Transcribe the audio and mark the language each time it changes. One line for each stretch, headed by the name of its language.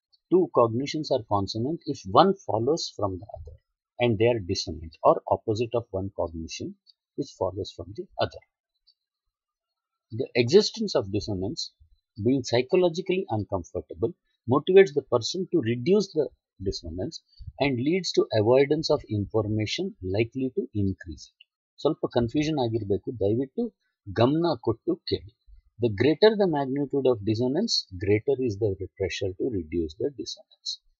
English: Two cognitions are consonant if one follows from the other and they are dissonant or opposite of one cognition which follows from the other. The existence of dissonance, being psychologically uncomfortable, motivates the person to reduce the dissonance and leads to avoidance of information likely to increase it.
Kannada: ಸ್ವಲ್ಪ confusion ಆಗಿರಬೇಕು, ದಯವಿಟ್ಟು ಗಮನ ಕೊಟ್ಟು ಕೇಳಿ.
English: The greater the magnitude of dissonance, greater is the pressure to reduce the dissonance.